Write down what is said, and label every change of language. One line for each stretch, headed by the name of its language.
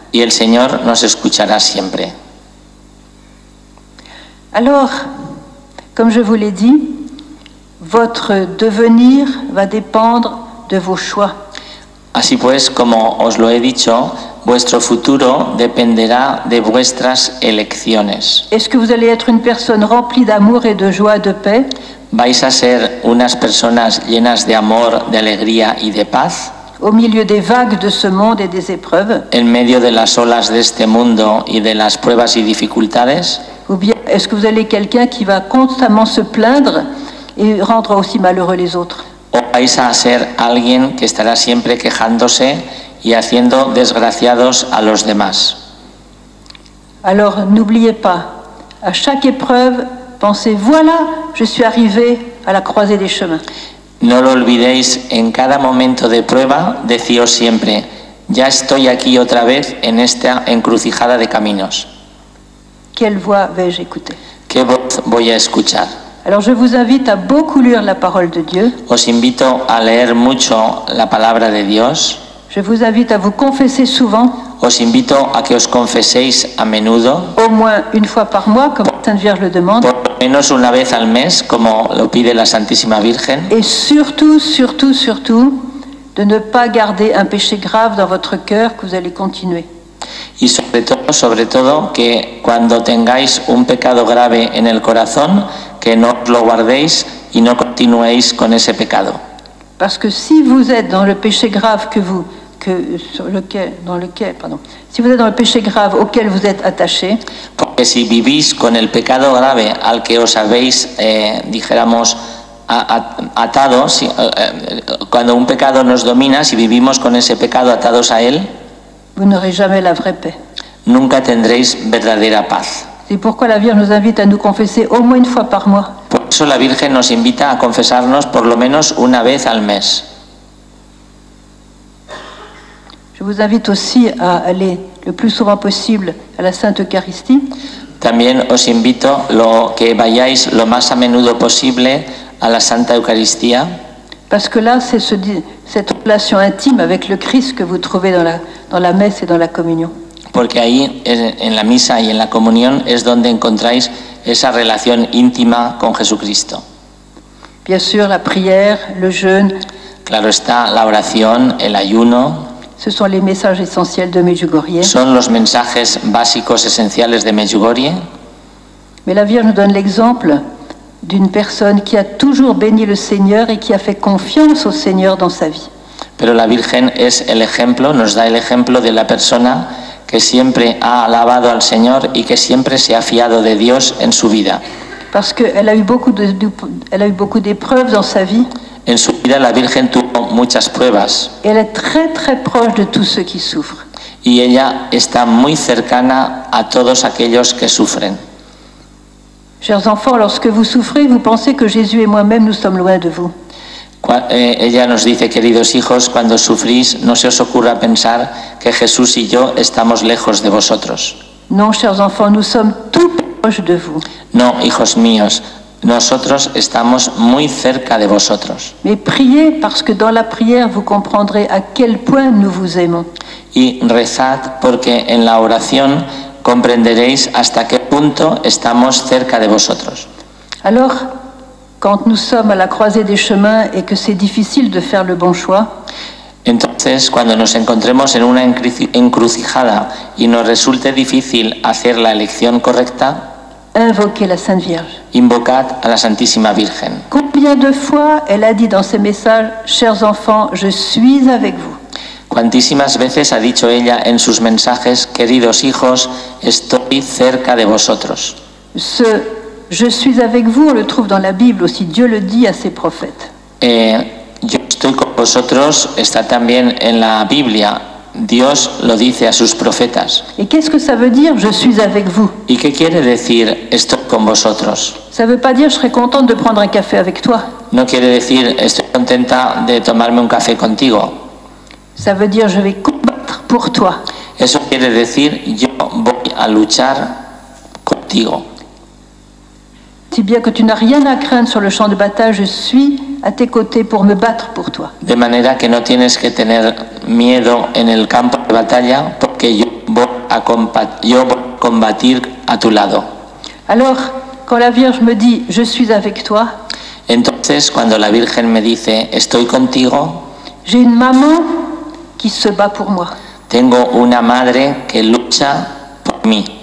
Spanish: Y el Señor nos escuchará siempre.
French: Alors, comme je vous l'ai dit, votre devenir va dépendre de vos choix.
Spanish: Así pues, como os lo he dicho, vuestro futuro dependerá de vuestras elecciones.
French: Est-ce que vous allez être une personne remplie d'amour et de joie, de paix?
Spanish: ¿Vais a ser unas personas llenas de amor, de alegría y de paz?
French: Au milieu des vagues de ce monde et des épreuves?
Spanish: En medio de las olas de este mundo y de las pruebas y dificultades?
French: Ou bien est-ce que vous allez quelqu'un qui va constamment se plaindre et rendre aussi malheureux les autres?
Spanish: ¿O vais a ser alguien que estará siempre quejándose y haciendo desgraciados a los demás?
French: Alors n'oubliez pas, à chaque épreuve, pensez voilà, je suis arrivé à la croisée des chemins.
Spanish: No lo olvidéis, en cada momento de prueba, decíos siempre, ya estoy aquí otra vez en esta encrucijada de caminos.
French: Quelle voix vais-je écouter?
Spanish: ¿Qué voz voy a escuchar?
French: Alors je vous invite à beaucoup lire la parole de Dieu.
Spanish: Os invito a leer mucho la palabra de Dios.
French: Je vous invite à vous confesser souvent.
Spanish: Os invito a que os confeséis a menudo.
French: Au moins une fois par mois, comme la Sainte Vierge le demande.
Spanish: Por lo menos una vez al mes, como lo pide la Santísima Virgen.
French: Et surtout, surtout, surtout, de ne pas garder un péché grave dans votre cœur que vous allez continuer.
Spanish: Y sobre todo, que cuando tengáis un pecado grave en el corazón, que no lo guardéis y no continuéis con ese pecado.
French: Parce que si vous êtes dans le péché grave que vous que sur lequel dans lequel pardon si vous êtes dans le péché grave auquel vous êtes attaché.
Spanish: Porque si vivís con el pecado grave al que os habéis dijéramos atado, si, cuando un pecado nos domina, si vivimos con ese pecado atados a él,
French: vous n'aurez jamais la vraie paix.
Spanish: Nunca tendréis verdadera paz.
French: C'est pourquoi la Vierge nous invite à nous confesser au moins une fois par mois.
Spanish: Por eso la Virgen nos invita a confesarnos por lo menos una vez al mes.
French: Je vous invite aussi à aller le plus souvent possible à la Sainte Eucharistie.
Spanish: También os invito lo que vayáis lo más a menudo posible a la Santa Eucaristía.
French: Parce que là, c'est cette relation intime avec le Christ que vous trouvez dans la messe et dans la communion.
Spanish: Porque ahí, en la misa y en la comunión, es donde encontráis esa relación íntima con Jesucristo.
French: Bien sûr, la prière, le jeûne.
Spanish: Claro está, la oración, el ayuno.
French: Ce sont les messages essentiels de Medjugorje.
Spanish: Son los mensajes básicos esenciales de Medjugorje.
French: Mais la Vierge nous donne l'exemple d'une personne qui a toujours béni le Seigneur et qui a fait confiance au Seigneur dans sa vie.
Spanish: Pero la Virgen es el ejemplo, nos da el ejemplo de la persona que siempre ha alabado al Señor y que siempre se ha fiado de Dios en su vida.
French: Parce que elle a eu beaucoup d'épreuves dans sa vie.
Spanish: En su vida la Virgen tuvo muchas pruebas.
French: Et elle est très très proche de tous ceux qui souffrent.
Spanish: Y ella está muy cercana a todos aquellos que sufren.
French: Chers enfants, lorsque vous souffrez, vous pensez que Jésus et moi-même nous sommes loin de vous.
Spanish: Ella nos dice, queridos hijos, cuando sufrís, no se os ocurra pensar que Jesús y yo estamos lejos de vosotros.
French: Non, chers enfants, nous sommes tout proches de vous.
Spanish: No, hijos míos, nosotros estamos muy cerca de vosotros.
French: Mais priez, parce que dans la prière, vous comprendrez à quel point nous vous aimons.
Spanish: Y rezad, porque en la oración comprenderéis hasta qué punto estamos cerca de vosotros.
French: Alors, quand nous sommes à la croisée des chemins et que c'est difficile de faire le bon choix.
Spanish: Entonces, cuando nos encontremos en una encrucijada y nos resulte difícil hacer la elección correcta,
French: invoquez la Sainte Vierge.
Spanish: Invocad a la Santísima Virgen.
French: Combien de fois elle a dit dans ses messages, chers enfants, je suis avec vous.
Spanish: Cuantísimas veces ha dicho ella en sus mensajes, queridos hijos, estoy cerca de vosotros.
French: Ce je suis avec vous, on le trouve dans la Bible aussi, Dieu le dit à ses prophètes.
Spanish: Yo estoy con vosotros está también en la Biblia. Dios lo dice a sus profetas.
French: Et qu'est-ce que ça veut dire, je suis avec vous?
Spanish: ¿Y qué quiere decir estoy con vosotros?
French: Ça veut pas dire je serai contente de prendre un café avec toi.
Spanish: No quiere decir estoy contenta de tomarme un café contigo.
French: Ça veut dire je vais combattre pour toi.
Spanish: Eso quiere decir yo voy a luchar contigo.
French: Si bien que tu n'as rien à craindre sur le champ de bataille, je suis à tes côtés pour me battre pour toi.
Spanish: De manera que no tienes que tener miedo en el campo de batalla, porque yo voy a combatir a tu lado.
French: Alors, quand la Vierge me dit je suis avec toi,
Spanish: entonces cuando la Virgen me dice estoy contigo,
French: j'ai une maman qui se bat pour moi.
Spanish: Tengo una madre que lucha por mí.